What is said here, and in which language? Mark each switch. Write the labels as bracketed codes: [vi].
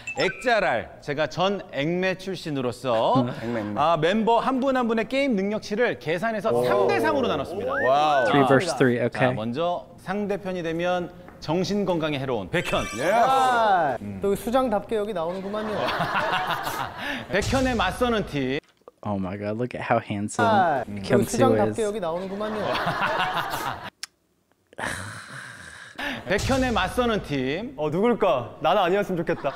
[ko] 액자랄 제가 전 액매 출신으로서 아, 멤버 한 분 한 분의 게임 능력치를 계산해서 3대 3으로 나눴습니다. 와우. 3 vs 3. 오케이. 자, 먼저 상대편이 되면 정신 건강에 해로운 백현. 예. Yeah. 또 수장답게 여기 나오는구만요. 백현의 맞서는 팀. [en] Oh my god, look at how handsome Kim Soo is. [ko] 수장답게 여기 나오는구만요. 백현의 맞서는 팀. 어, 누굴까? 나는 아니었으면 좋겠다.